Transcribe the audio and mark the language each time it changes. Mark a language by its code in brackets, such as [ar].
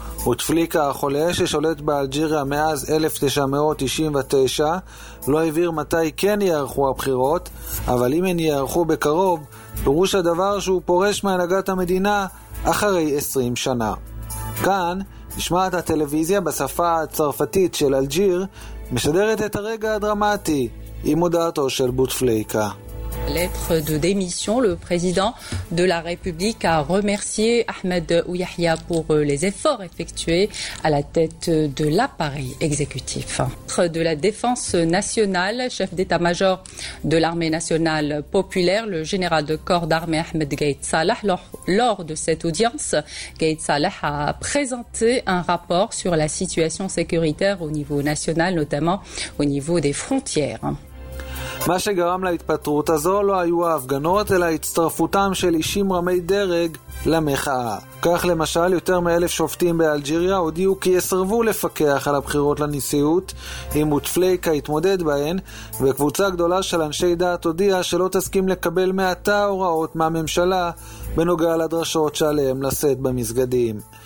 [he] בוטפליקה החולה ששולט באלג'יריה מאז 1999 לא הבהיר מתי כן יערכו הבחירות, אבל אם הן יערכו בקרוב, פירוש הדבר שהוא פורש מהנהגת המדינה אחרי 20 שנה. כאן נשמעת הטלוויזיה בשפה הצרפתית של אלג'יר משדרת את הרגע הדרמטי עם מודעתו של בוטפליקה. [fr] Lettre de démission, le président de la République a remercié Ahmed Ouyahia pour les efforts effectués à la tête de l'appareil exécutif. Lettre de la défense nationale, chef d'état-major de l'armée nationale populaire, le général de corps d'armée Ahmed Gaït Salah. Lors de cette audience, Gaït Salah a présenté un rapport sur la situation sécuritaire au niveau national, notamment au niveau des frontières. [he] מה שגרם להתפטרות הזו לא היו ההפגנות, אלא הצטרפותם של אישים רמי דרג למחאה. כך למשל, יותר מאלף שופטים באלג'יריה הודיעו כי יסרבו לפקח על הבחירות לנשיאות אם בוטפליקה יתמודד בהן, וקבוצה גדולה של אנשי דעת הודיעה שלא תסכים לקבל מעטה הוראות מהממשלה בנוגע לדרשות שעליהם לשאת במסגדים.